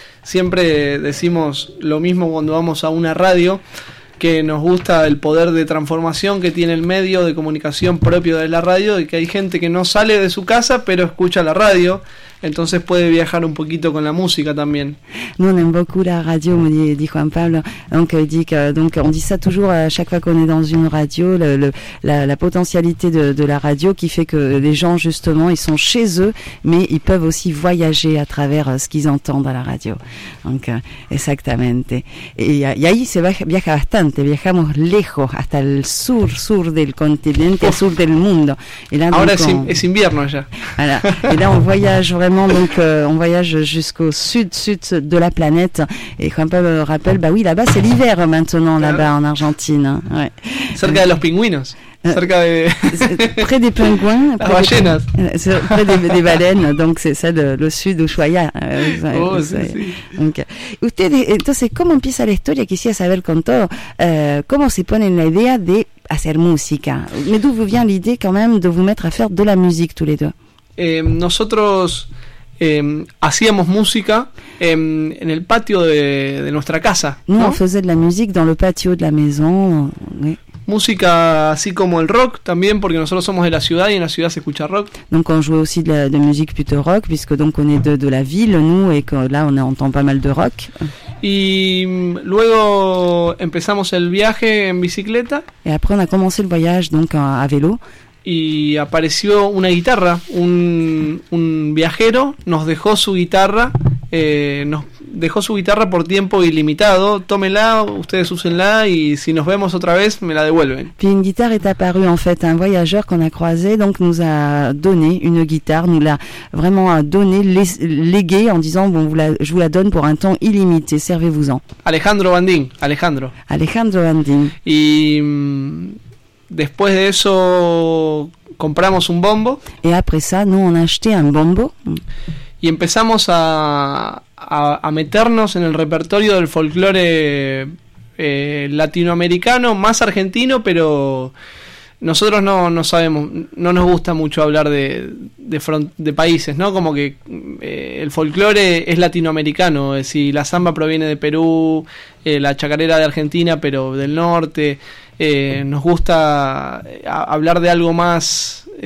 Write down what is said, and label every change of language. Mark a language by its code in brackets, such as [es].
[es] Siempre decimos lo mismo cuando vamos a una radio, que nos gusta el poder de transformación que tiene el medio de comunicación propio de la radio, y que hay gente que no sale de su casa pero escucha la radio, entonces puede viajar un poquito con la música también. [fr] Nous on aime beaucoup la radio, me dit Juan Pablo. Donc il dit que donc on dit ça toujours à chaque fois qu'on est dans une radio, la potentialité de la radio qui fait que les gens justement ils sont chez eux, mais ils peuvent aussi voyager à travers ce qu'ils entendent à la radio. [es] Donc exactamente. Y ahí se viaja bastante, viajamos lejos hasta el sur del continente, sur del mundo. [fr] Et là, [es] ahora donc, es invierno allá. [fr] Voilà. Et là on voyage vraiment, donc on voyage jusqu'au sud de la planète. Et quand même, je me rappelle, bah oui, là-bas c'est l'hiver maintenant, là-bas en Argentine. Ouais. [es] Cerca de los pingüinos. Cerca de... [fr] près des pingouins, près, ballenas. Près des baleines, donc c'est ça le sud d'Ushuaïa. [es] Entonces, ¿cómo empieza la historia? Quisiera saber con todo, ¿cómo se pone la idea de hacer música? [fr] Mais d'où vous vient l'idée quand même de vous mettre à faire de la musique tous les deux? [es] Nosotros hacíamos música en el patio de nuestra casa. [fr] Nous, ¿no? On faisait de la musique dans le patio de la maison. Oui. [es] Música así como el rock también, porque nosotros somos de la ciudad y en la ciudad se escucha rock. [fr] Donc on jouait aussi de musique plutôt rock, puisque donc on est de la ville, nous, et que là on entend pas mal de rock. [es] Y luego empezamos el viaje en bicicleta. [fr] Et après on a commencé le voyage donc à vélo. [es] Y apareció una guitarra, un viajero nos dejó su guitarra, nos dejó su guitarra por tiempo ilimitado, tómela, ustedes úsenla y si nos vemos otra vez me la devuelven. [fr] Puis une guitare est apparue en fait, un voyageur qu'on a croisé donc nous a donné une guitare, nous l'a vraiment donné, légué en disant bon, je vous la donne pour un temps illimité, servez-vous-en. [es] Alejandro Bandín. Y después de eso compramos un bombo. [fr] Et après ça, nous on a acheté un bombo. [es] Y empezamos a meternos en el repertorio del folclore latinoamericano, más argentino, pero nosotros no sabemos, no nos gusta mucho hablar de países, ¿no? Como que el folclore es latinoamericano, es decir, la samba proviene de Perú, la chacarera de Argentina, pero del norte. Nos gusta hablar de algo más